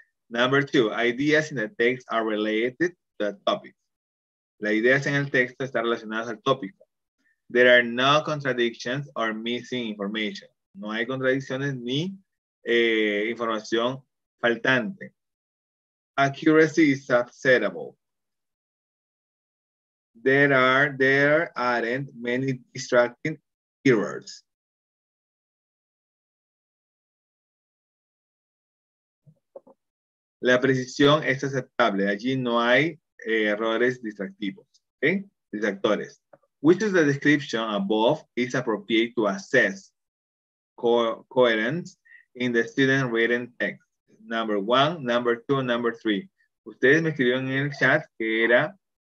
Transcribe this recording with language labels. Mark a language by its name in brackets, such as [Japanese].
[English] Number two, ideas in the text are related to the topic. [Spanish] Las ideas en el texto están relacionadas al tópico. [English] There are no contradictions or missing information. [Spanish] No hay contradicciones ni información faltante. [English] Accuracy is acceptable. There aren't many distracting errors. [Spanish] La precisión es aceptable. Allí no hay errores distractivos. Okay? Distractores. [English] Which of the description above is appropriate to assess coherence in the student written text? Number one, number two, number three. [Spanish] Ustedes me escribieron en el chat que era.